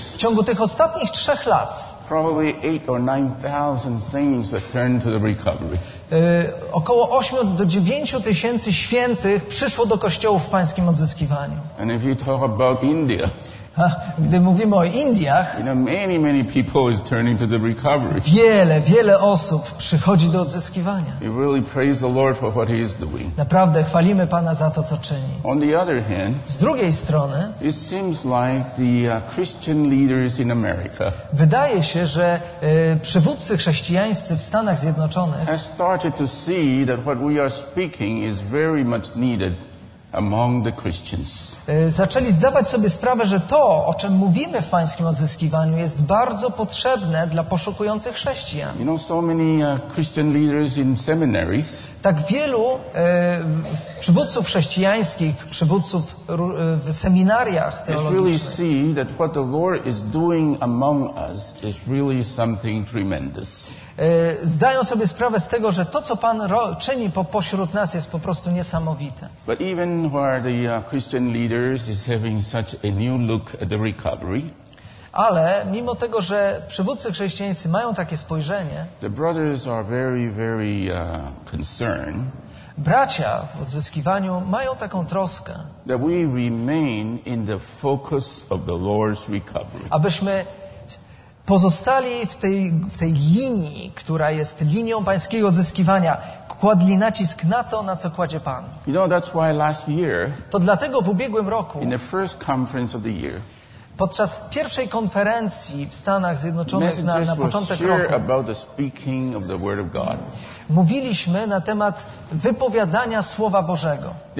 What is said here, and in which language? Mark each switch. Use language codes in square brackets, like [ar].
[pl] w ciągu tych ostatnich 3 lat, [en] probably 8,000 or 9,000 saints that turned to the recovery. [pl] Około 8 do 9 tysięcy świętych przyszło do kościołów w Pańskim odzyskiwaniu. [en] And if you talk about India, [pl] gdy mówimy o Indiach, [en] you know, many people is turning to the recovery. [pl] Wiele osób przychodzi do odzyskiwania. [en] We really praise the Lord for what He is doing. [pl] Naprawdę chwalimy Pana za to, co czyni. [en] On the other hand, [pl] z drugiej strony, [en] it seems like the Christian leaders in America, [pl] wydaje się, że przywódcy chrześcijańscy w Stanach Zjednoczonych, [en] have started to see that what we are speaking is very much needed among the Christians. [pl] Zaczęli zdawać sobie sprawę, że to, o czym mówimy w Pańskim odzyskiwaniu, jest bardzo potrzebne dla poszukujących chrześcijan. [en] You know, so many Christian leaders in seminaries. [pl] Tak wielu przywódców chrześcijańskich, przywódców w seminariach teologicznych. [en] Really see that what the Lord is doing among us is really something tremendous. [pl] Zdają sobie sprawę z tego, że to, co Pan czyni pośród nas, jest po prostu niesamowite. [en] But even where the Christian leaders is having such a new look at the recovery. [pl] Ale mimo tego, że przywódcy chrześcijańscy mają takie spojrzenie, [en] the brothers are very, very concerned. [pl] Bracia w odzyskiwaniu mają taką troskę, [en] that we remain in the focus of the Lord's recovery. [pl] Abyśmy pozostali w tej linii, która jest linią pańskiego odzyskiwania, kładli nacisk na to, na co kładzie Pan. [en] You know, that's why last year, [pl] to dlatego w ubiegłym roku, [en] in the first conference of the year, [pl] podczas pierwszej konferencji w Stanach Zjednoczonych na początek roku, [en] about the speaking of the Word of God. [pl] Mówiliśmy na temat wypowiadania Słowa Bożego.